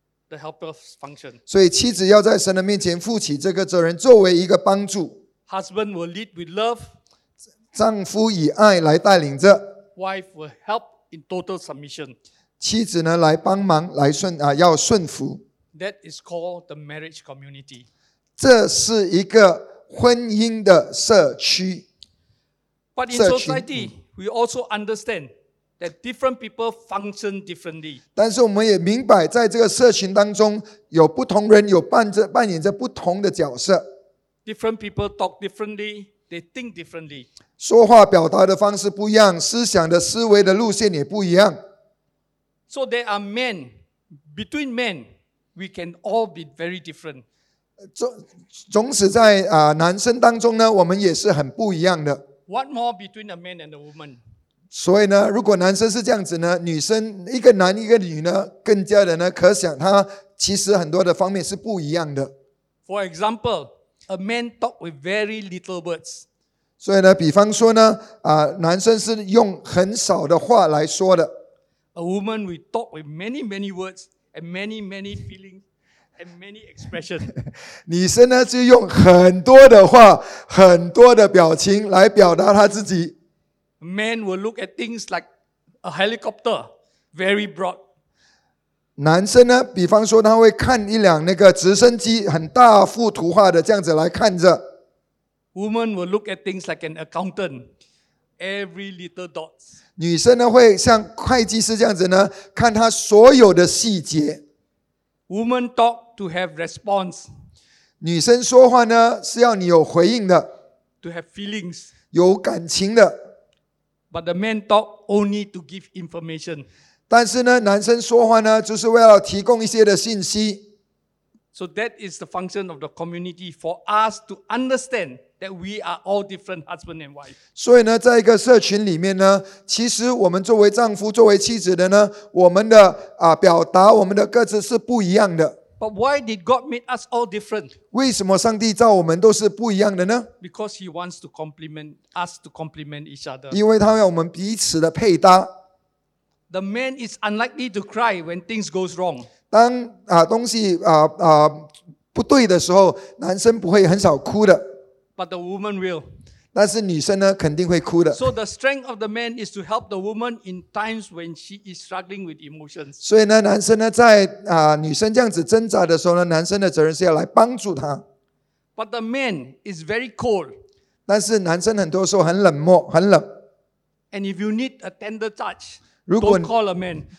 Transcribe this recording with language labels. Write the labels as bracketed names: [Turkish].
[English] The helper's function. [Chinese] 所以妻子要在神的面前负起这个责任，作为一个帮助。 [English] Husband will lead with love. [Chinese] 丈夫以爱来带领着。 [English] Wife will help in total submission. [Chinese] 妻子呢来帮忙，来顺要顺服。 [English] That is called the marriage community. [Chinese] 这是一个婚姻的社区。 [English] But in society, we also understand. That different people function differently. [Chinese] 但是我们也明白，在这个社群当中，有不同人有扮演着不同的角色。 [English] Different people talk differently, they think differently. [Chinese] 说话表达的方式不一样，思想的思维的路线也不一样。 [English] So there are men, between men, we can all be very different. [Chinese] 总之在男生当中呢，我们也是很不一样的。 [English] What more between a man and a woman? [Chinese] 所以呢，如果男生是这样子呢，女生一个男一个女呢，更加的呢，可想他其实很多的方面是不一样的。 [English] For example, a man talk with very little words. [Chinese] 所以呢，比方说呢，男生是用很少的话来说的。 [English] A woman will talk with many, many words and many many feelings and many expressions. [Chinese] 女生呢就用很多的话、很多的表情来表达她自己。 [English] Men will look at things like a helicopter, very broad. [Chinese] 男生呢，比方说他会看一辆那个直升机，很大幅图画的这样子来看着。 [English] Women will look at things like an accountant, every little dot. [Chinese] 女生呢会像会计师这样子呢，看他所有的细节。 [English] Women talk to have response. [Chinese] 女生说话呢是要你有回应的。 [English] To have feelings. [Chinese] 有感情的。 [English] But the men talk only to give information. [Chinese] 但是呢，男生说话呢，就是为了提供一些的信息。 [English] So that is the function of the community for us to understand that we are all different husband and wife. [Chinese] 所以呢，在一个社群里面呢，其实我们作为丈夫、作为妻子的呢，我们的啊表达我们的各自是不一样的。 [English] But why did God make us all different? [Chinese] 为什么上帝造我们都是不一样的呢？ [English] Because He wants to complement us to complement each other. [Chinese] 因为他要我们彼此的配搭。 [English] The man is unlikely to cry when things goes wrong. [Chinese] 当啊东西啊啊不对的时候，男生不会很少哭的。 [English] But the woman will. [Chinese] 但是女生呢，肯定会哭的。 [English] So the strength of the man is to help the woman in times when she is struggling with emotions. [Chinese] 所以呢，男生呢，在啊、女生这样子挣扎的时候呢，男生的责任是要来帮助她。 [English] But the man is very cold. [Chinese] 但是男生很多时候很冷漠，很冷。 [English] And if you need a tender touch, don't call a man.